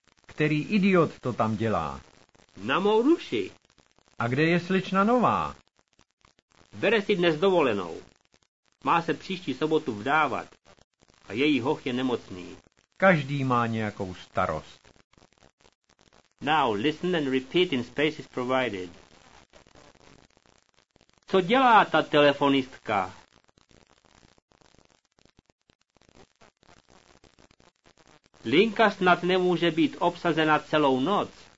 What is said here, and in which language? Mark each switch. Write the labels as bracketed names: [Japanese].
[Czech] Který idiot to tam dělá? Na mou duši. A kde je slečna Nová? Bere si dnes dovolenou. Má se příští sobotu vdávat. A její hoch je nemocný. Každý má nějakou starost. [English] Now listen and repeat in spaces provided. [Czech] Co dělá ta telefonistka? Linka snad nemůže být obsazena celou noc.